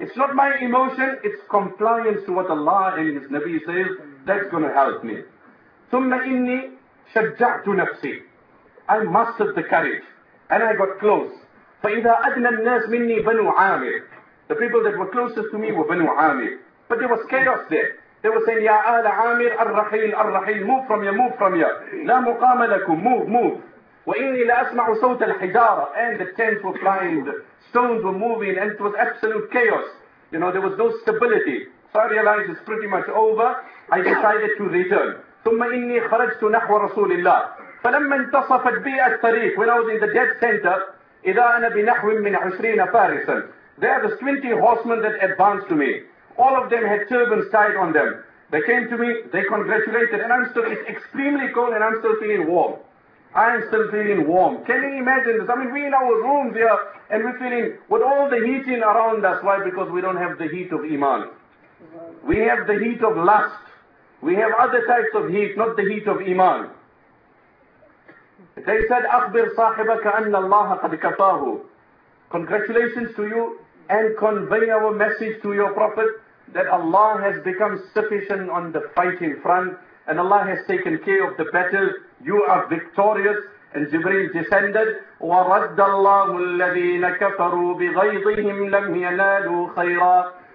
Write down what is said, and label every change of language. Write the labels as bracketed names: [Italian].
[English] It's not my emotion, it's compliance to what Allah and His Nabi says. That's going to help me. [Arabic] ثُمَّ إِنِّي شَجَّعْتُ نَفْسِي. [English] I mustered the courage and I got close. [Arabic] فَإِذَا أَدْنَى النَّاسِ مِنِّي بَنُوا عَامِرٍ. [English] The people that were closest to me were Banu Amir. But there was chaos there. They were saying, [Arabic] يَا آلَ عَامِرٍ أَرْرَحِيلٍ أَرْرَحِيلٍ. [English] Move from here, move from here. [Arabic] لَا مُقَامَ لَكُمْ. [English] Move, move. [Arabic] وَإِنِّي لَأَسْمَعُ صَوْتَ الْحِجَارَةِ. [English] And the tents were flying, the stones were moving, and it was absolute chaos. You know, there was no stability. So I realized it's pretty much over. I decided to return. [Arabic] ثُمَّ إِنِّي خَرَجْتُ نَحْوَ رَسُولِ اللَّهِ. فَلَمَّا انْتَصَفَتْ بِي الطَّرِيقُ. [English] When I was in the dead center, [Arabic] إِذَا أَنَا بِنَحْوٍ مِّنْ عِشْرِينَ فَارِسًا. [English] There are the 20 horsemen that advanced to me. All of them had turbans tied on them. They came to me, they congratulated, and I'm still, it's extremely cold and I'm still feeling warm. I'm still feeling warm. Can you imagine this? I mean, we in our rooms here, and we're feeling, with all the heating around us, why? Because we don't have the heat of Iman. We have the heat of lust. We have other types of heat, not the heat of Iman. They said, [Arabic] أَخْبِرْ صَاحِبَكَ أَنَّ اللَّهَ قَدْ كَفَاهُ. [English] Congratulations to you, and convey our message to your Prophet that Allah has become sufficient on the fighting front, and Allah has taken care of the battle. You are victorious. And Jibreel descended, [Arabic] وَرَدَّ اللَّهُ الَّذِينَ كَفَرُوا بِغَيْظِهِمْ لَمْ يَنَالُوا خَيْرًا.